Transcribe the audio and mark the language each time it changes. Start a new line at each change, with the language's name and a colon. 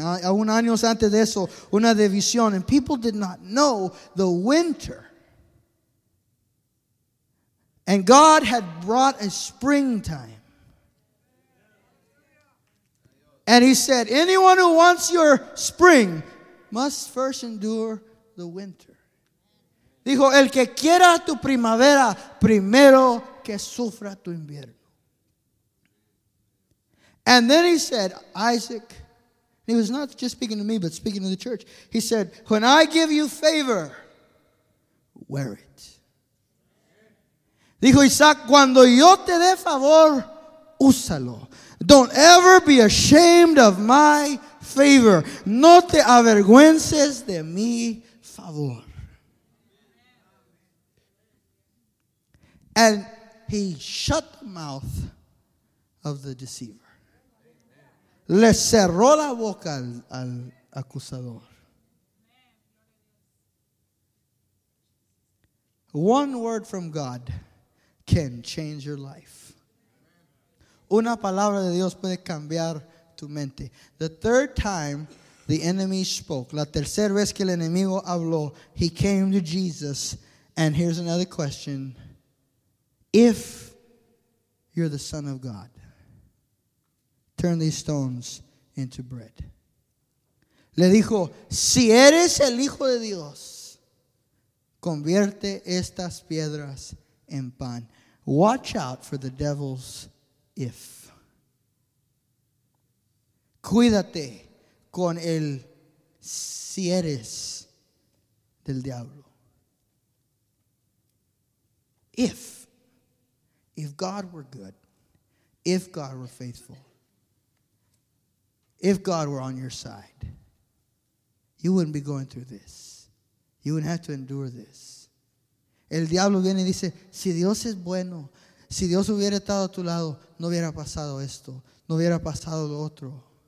Spanish: Un año antes de eso, una división.
English: And people did not know the winter. And God had brought a springtime. And he said, anyone who wants your spring must first endure the winter.
Spanish: Dijo, el que quiera tu primavera, primero que sufra tu invierno.
English: And then he said, Isaac, he was not just speaking to me, but speaking to the church. He said, when I give you favor, wear it.
Spanish: Dijo, Isaac, cuando yo te dé favor, úsalo.
English: Don't ever be ashamed of my favor.
Spanish: No te avergüences de mi favor.
English: And he shut the mouth of the deceiver.
Spanish: Le cerró la boca al acusador.
English: One word from God can change your life.
Spanish: Una palabra de Dios puede cambiar tu mente.
English: The third time the enemy spoke,
Spanish: la tercera vez que el enemigo habló,
English: he came to Jesus. And here's another question. If you're the Son of God, turn these stones into bread.
Spanish: Le dijo, si eres el Hijo de Dios, convierte estas piedras en pan.
English: Watch out for the devil's if.
Spanish: Cuídate con el si eres del diablo. If.
English: If God were good, if God were faithful, if God were on your side, you wouldn't be going through this. You wouldn't have to endure this.
Spanish: El diablo viene y dice, si Dios es bueno, si Dios hubiera estado a tu lado, no hubiera pasado esto, no hubiera pasado lo otro.